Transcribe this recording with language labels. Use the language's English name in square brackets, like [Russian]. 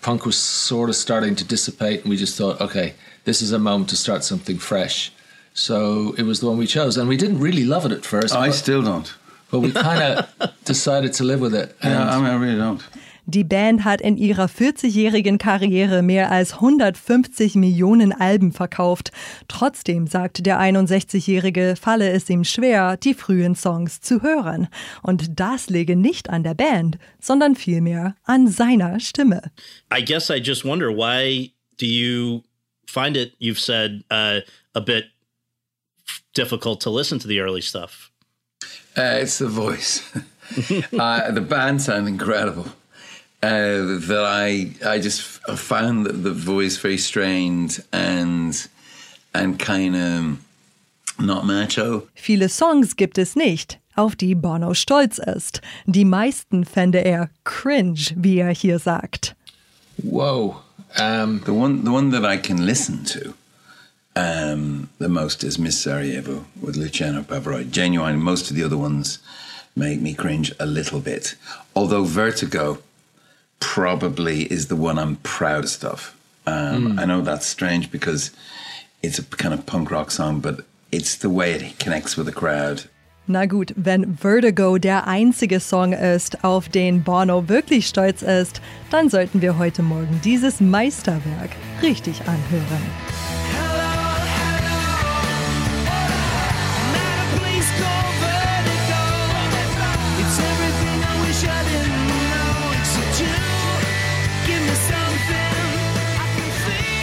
[English] Punk was sort of starting to dissipate and we just thought, okay, this is a moment to start something fresh. So it was the one we chose, and we didn't really love it at first. I still don't. But we kind of decided to live with it. Yeah, I mean, I really don't. [German] Die Band hat in ihrer 40-jährigen Karriere mehr als 150 Millionen Alben verkauft. Trotzdem, sagt der 61-Jährige, falle es ihm schwer, die frühen Songs zu hören. Und das liege nicht an der Band, sondern vielmehr an seiner Stimme. [English] I guess I just wonder, why do you find it, you've said, a bit difficult to listen to the early stuff? It's the voice. The band sound incredible. I just found the voice very strained and kind of not macho. [German] Viele Songs gibt es nicht, auf die Bono stolz ist. Die meisten fände er cringe, wie er hier sagt. Whoa. [English] The one that I can listen to the most is Miss Sarajevo with Luciano Pavarotti. Genuine, most of the other ones make me cringe a little bit. Although Vertigo probably is the one I'm proudest of. I know that's strange because it's a kind of punk rock song, but it's the way it connects with the crowd. [German] Na gut, wenn Vertigo der einzige Song ist, auf den Bono wirklich stolz ist, dann sollten wir heute Morgen dieses Meisterwerk richtig anhören.